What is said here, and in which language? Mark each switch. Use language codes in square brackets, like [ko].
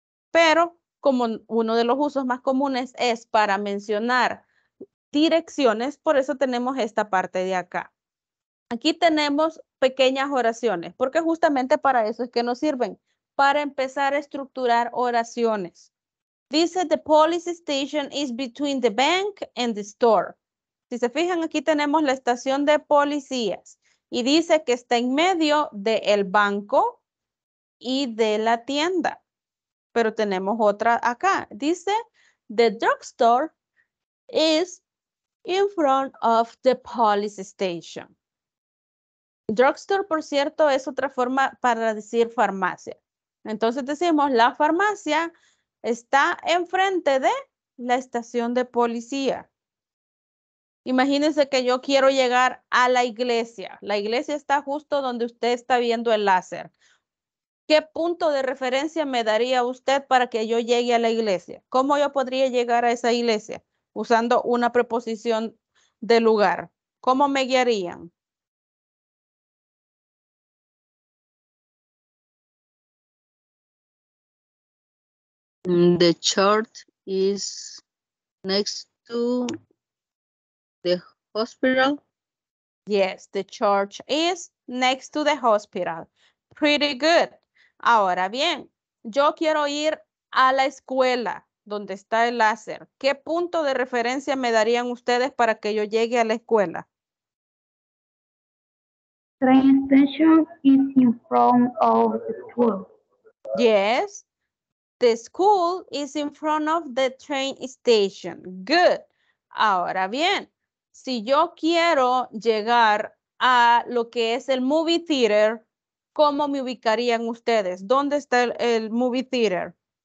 [es] Pero, como uno de los usos más comunes es para mencionar direcciones, por eso tenemos esta parte de acá. Aquí tenemos pequeñas oraciones, porque justamente para eso es que nos sirven, para empezar a estructurar oraciones. [en] Dice, the police station is between the bank and the store. [es] Si se fijan, aquí tenemos la estación de policías. Y dice que está en medio del banco y de la tienda. Pero tenemos otra acá. [en] Dice, the drugstore is in front of the police station. [es] Drugstore, por cierto, es otra forma para decir farmacia. Entonces decimos, la farmacia está enfrente de la estación de policía. Imagínense que yo quiero llegar a la iglesia. La iglesia está justo donde usted está viendo el láser. ¿Qué punto de referencia me daría usted para que yo llegue a la iglesia? ¿Cómo yo podría llegar a esa iglesia? Usando una preposición de lugar. ¿Cómo me guiarían? [en] The church is next to the hospital. Yes, the church is next to the hospital. Pretty good. [es] Ahora bien, yo quiero ir a la escuela donde está el láser. ¿Qué punto de referencia me darían ustedes para que yo llegue a la escuela? [en] Train station is in front of the school. Yes, the school is in front of the train station. Good. [es] Ahora bien, si yo quiero llegar a lo que es el movie theater, ¿cómo me ubicarían ustedes? ¿Dónde está el movie theater?